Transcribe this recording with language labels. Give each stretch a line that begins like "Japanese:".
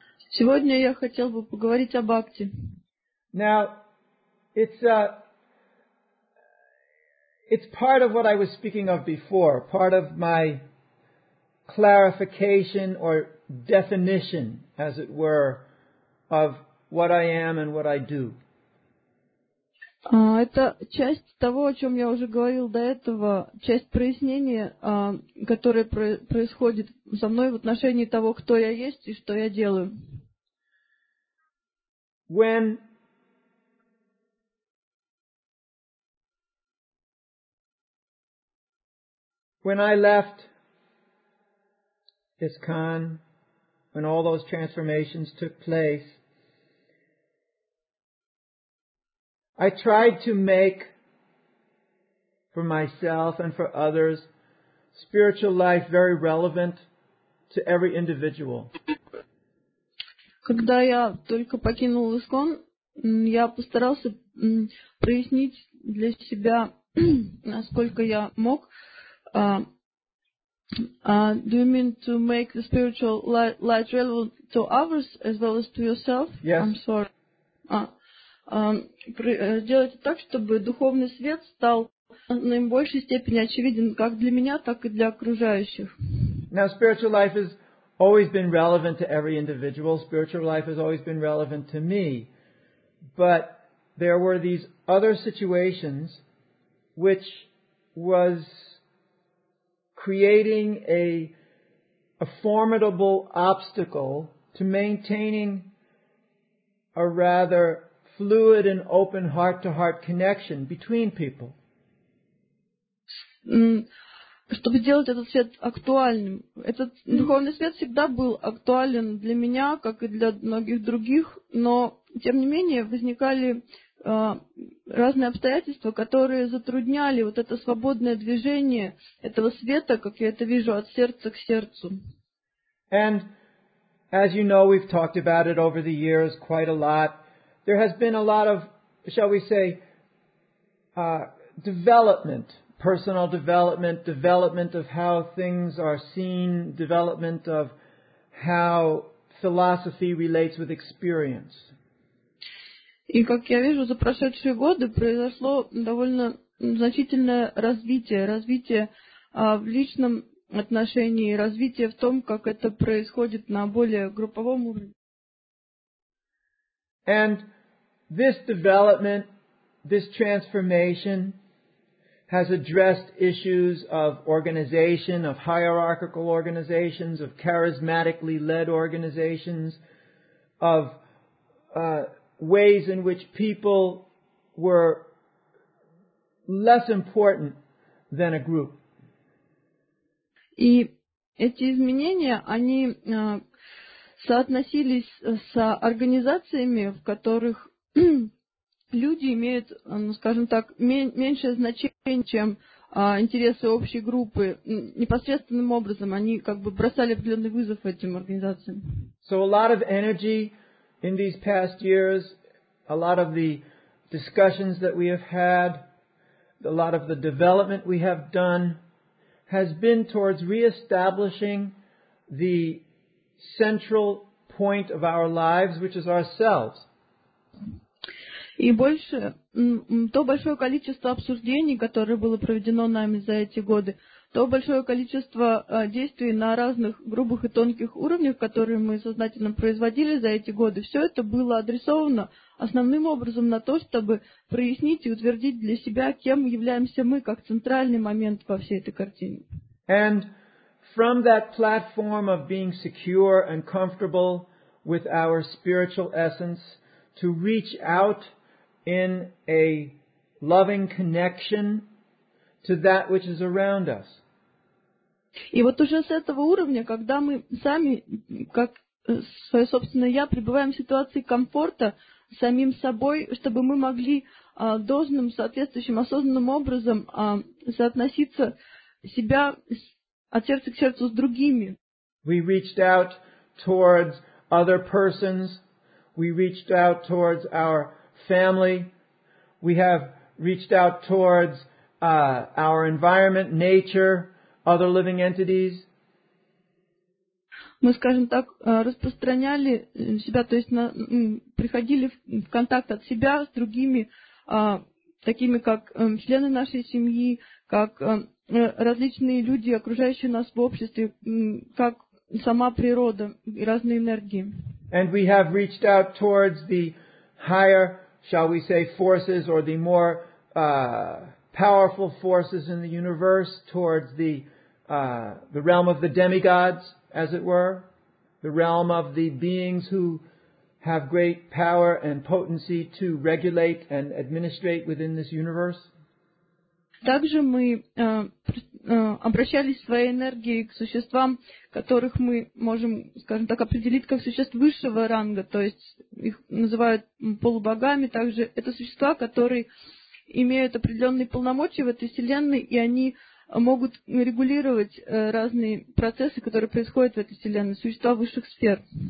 Russian: Сегодня я хотел бы поговорить о бхакти.
English: Now, it's part of what I was speaking of before, part of my clarification or definition, as it were, of what I am and what I do.
Russian: Это часть того, о чем я уже говорил до этого, часть прояснения, которое происходит со мной в отношении того, кто я есть и что я делаю.
English: When I left ISKCON, when all those transformations took place, I tried to make for myself and for others spiritual life very relevant to every individual.
Russian: Когда я только покинул ISKCON, я постарался прояснить для себя, насколько я мог.
English: Do you mean to make the spiritual light relevant to others as well as to yourself? Yes. I'm sorry.
Russian: Делать так, чтобы духовный свет стал наибольшей степени очевиден как для меня, так и для окружающих.
English: Now, spiritual life has always been relevant to every individual. Spiritual life has always been relevant to me. But there were these other situations which was creating a formidable obstacle to maintaining a rather fluid and open heart-to-heart connection between people.
Russian: Чтобы делать этот свет актуальным, этот духовный свет всегда был актуален для меня, как и для многих других, но тем не менее возникали разные обстоятельства, которые затрудняли вот это свободное движение этого света, как я это вижу, от сердца к сердцу.
English: And as you know, we've talked about it over the years quite a lot. There has been a lot of, shall we say, development, personal development, development of how things are seen, development of how philosophy relates with experience.
Russian: И, как я вижу, за прошедшие годы произошло довольно значительное развитие. Развитие в личном отношении, развитие в том, как это происходит на более групповом уровне.
English: And this development, this transformation has addressed issues of organization, of hierarchical organizations, of charismatically led organizations, of... ways in which people were less important than a group.
Russian: И эти изменения, они соотносились с организациями, в которых люди имеют, ну, скажем так, меньшее значение, чем интересы общей группы. Непосредственным образом они как бы бросали определенный вызов этим организациям.
English: So a lot of energy in these past years, a lot of the discussions that we have had a lot of the development we have done has been towards reestablishing the central point of our lives, which is ourselves.
Russian: И больше, то большое количество обсуждений, которое было проведено нами за эти годы, то большое количество действий на разных грубых и тонких уровнях, которые мы сознательно производили за эти годы, все это было адресовано основным образом на то, чтобы прояснить и утвердить для себя, кем являемся мы, как центральный момент во всей этой картине.
English: And from that platform of being secure and comfortable with our spiritual essence, to reach out in a loving connection to that which is around us.
Russian: И вот уже с этого уровня, когда мы сами, как свое собственное я, пребываем в ситуации комфорта самим собой, чтобы мы могли должным, соответствующим, осознанным образом соотноситься себя от сердца к сердцу с другими.
English: We reached out towards other persons. We reached out towards our family. We have reached out towards our environment, nature, other living entities.
Russian: Мы, скажем так, распространяли себя, то есть приходили в контакт от себя с другими, такими как члены нашей семьи, как различные люди, окружающие нас в обществе, как сама природа и разные энергии.
English: And we have reached out towards the higher, shall we say, forces, or the more powerful forces in the universe, towards the realm of the demigods, as it were, the realm of the beings who have great power and potency to regulate and administrate within this universe.
Russian: Также мы обращались своей энергией к существам, которых мы можем, скажем так, определить как существ высшего ранга, то есть их называют полубогами. Также это существа, которые имеют определенные полномочия в этой вселенной, и они могут регулировать разные процессы, которые происходят в этой вселенной, существа высших сфер.